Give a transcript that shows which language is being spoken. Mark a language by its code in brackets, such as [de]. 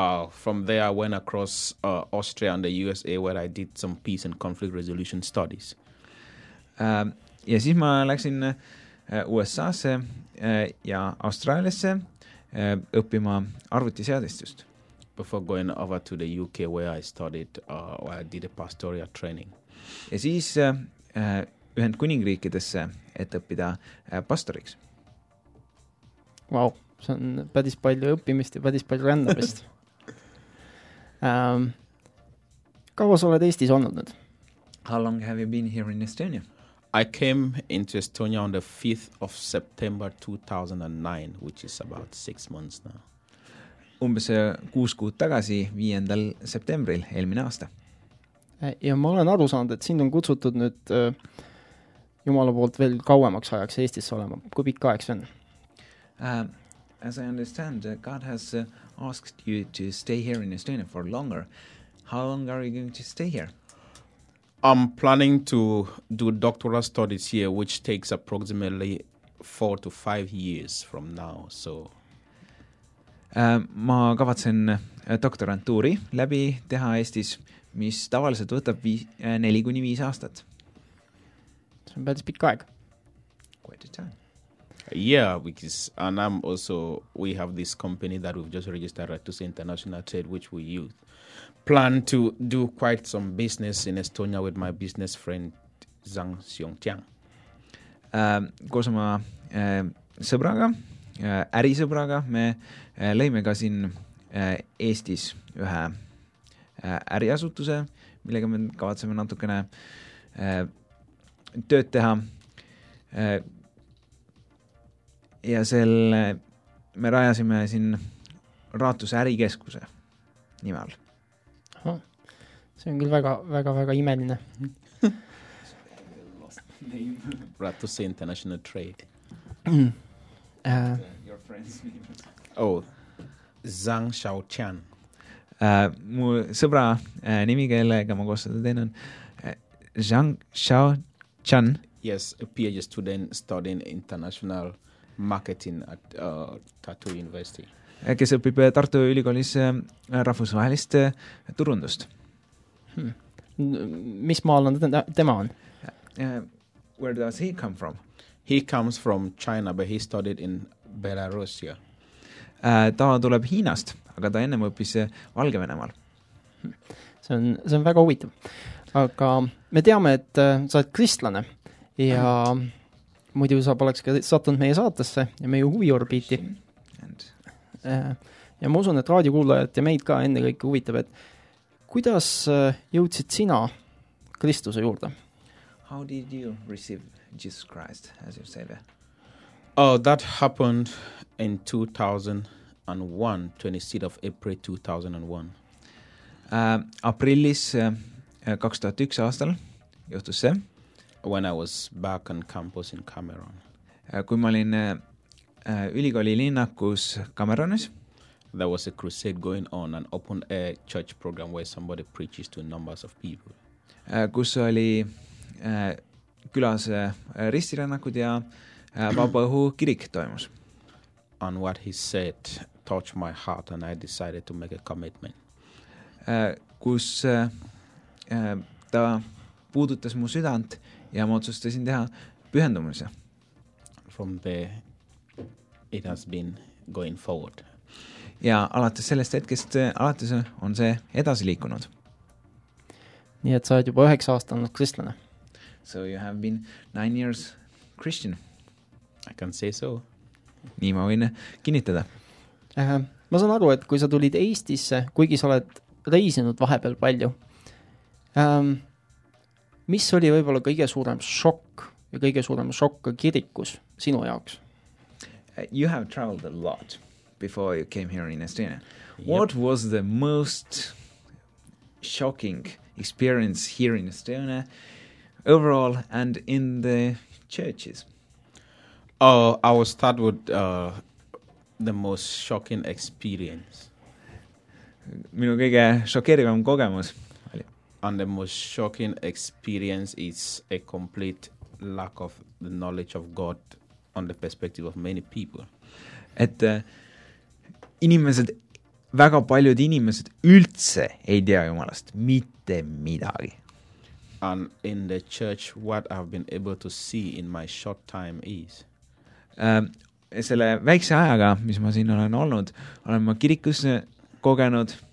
[en] From there, I went across Austria and the USA, where I did some peace and conflict resolution studies. [et] Ja siis ma läksin USA-se ja Austraaliasse õppima arvutiseadistust. [en] Before going over to the UK, where I studied, where I did a pastoral training. [et] Ja siis Ühendkuningriikidesse, et õppida pastoriks. Wow, see on päris palju õppimist ja päris palju rändamist. kaua sa oled Eestis olnud nüüd? [en] How long have you been here in Estonia? I came into Estonia on the 5th of September 2009, which is about 6 months now. [et] Umbes 6 kuud tagasi, 5. septembril, eelmine aasta. Ja ma olen aru saanud, et sind on kutsutud nüüd Jumala poolt veel kauemaks ajaks Eestis olema. Kui pikka aeg see on? [en] As I understand, God has asked you to stay here in Estonia for longer. How long are you going to stay here? I'm planning to do doctoral studies here, which takes approximately 4 to 5 years from now, so... [et] Ma kavatsen doktorantuuri läbi teha Eestis, mis tavaliselt võtab 4 kuni 5 aastat. See on päris pikka aeg. [en] Quite a time. Yeah, because and I'm also we have this company that we've just registered at Tusa International Trade, which we use. Plan to do quite some business in Estonia with my business friend Zhang Xiongtiang. [et] Koos oma sõbraga, ärisõbraga, me lõime ka siin Eestis ühe äriasutuse, millega me kavatseme natukene tööd teha. Ja selle me rajasime siin Raatus ärikeskuse nimel. Aha. See on küll väga, väga, väga imeline. [en] Raatus International Trade. Your friend's name. Oh, Zhang Xiaoqian. [et] Mu sõbra nimi, kellega ma koos seda teen, on Zhang Xiaoqian. [en] Yes, a PhD student studying international marketing at Tartu University. [et] Kes õpib Tartu ülikoolis rahvusvahelist turundust. Mis maal on tema on? [en] Where does he come from? He comes from China, but he studied in Belarusia. [et] Ta tuleb Hiinast, aga ta ennem õppis Valgevenemal. See on väga huvitav. Aga me teame, et sa oled kristlane ja... Muidu sa poleks ka sattunud meie saatesse ja meie huviorbiiti. Ja ma usun, et raadiokuulajat ja meid ka enne kõike huvitab, et kuidas jõudsid sina Kristuse juurde? [en] How did you receive Jesus Christ as your savior? Oh, that happened in 2001, 26th of April 2001. [et] Aprillis 2001 aastal juhtus see. [en] When I was back on campus in Cameroon. [et] Kui ma olin ülikooli linnakus Cameroonis. [en] There was a crusade going on, an open air church program where somebody preaches to numbers of people. [et] Kus oli külas ristirännakud ja vabaõhu kirik toimus. [en] And what he said touched my heart and I decided to make a commitment. [et] Kus ta puudutas mu südant. Ja ma otsustasin teha pühendumise. [en] From there, it has been going forward. [et] Ja alates sellest hetkest, alates on see edasi liikunud. Nii et sa oled juba 9 aastat olnud kristlane. [en] So you have been 9 years Christian. I can say so. [et] Nii ma võin kinnitada. Ma saan aru, et kui sa tulid Eestisse, kuigi sa oled reisinud vahepeal palju, mis oli võibolla kõige suurem šokk ja kõige suurem šokk kirikus sinu jaoks? [en] You have traveled a lot before you came here in Estonia. Yep. What was the most shocking experience here in Estonia overall and in the churches? I will start with the most shocking experience. [et] Minu kõige šokeerivam kogemus. [en] And the most shocking experience is a complete lack of the knowledge of God on the perspective of many people. [et] Et inimesed, väga paljud inimesed üldse ei tea Jumalast, mitte midagi. [en] And in the church, what I've been able to see in my short time is... [et] Selle väikse ajaga, mis ma siin olen olnud, olen ma kirikus kogenud...